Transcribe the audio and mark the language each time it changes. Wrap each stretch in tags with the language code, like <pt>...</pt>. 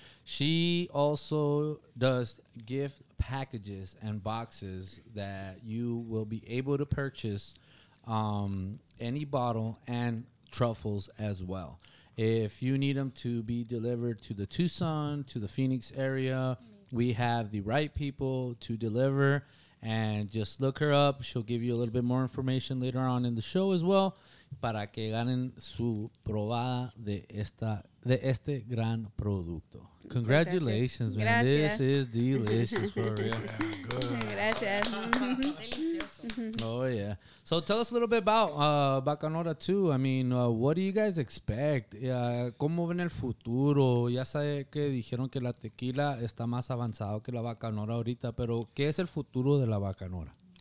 <en>She also does gift packages and boxes that you will be able to purchase any bottle and truffles as well. If you need them to be delivered to the Tucson, to the Phoenix area, we have the right people to deliver, and just look her up. She'll give you a little bit more information later on in the show as well.</en> <es>Para que ganen su probada de este gran producto.</es> <en>Congratulations, Man. Gracias. This is delicious for real. Yeah, good.</en> <es>Gracias.</es> <en>Oh, yeah. So tell us a little bit about Bacanora, too. I mean, what do you guys expect?</en> <es>¿Cómo ven el futuro? Ya sabe que dijeron que la tequila está más avanzado que la Bacanora ahorita, pero ¿qué es el futuro de la Bacanora?</es>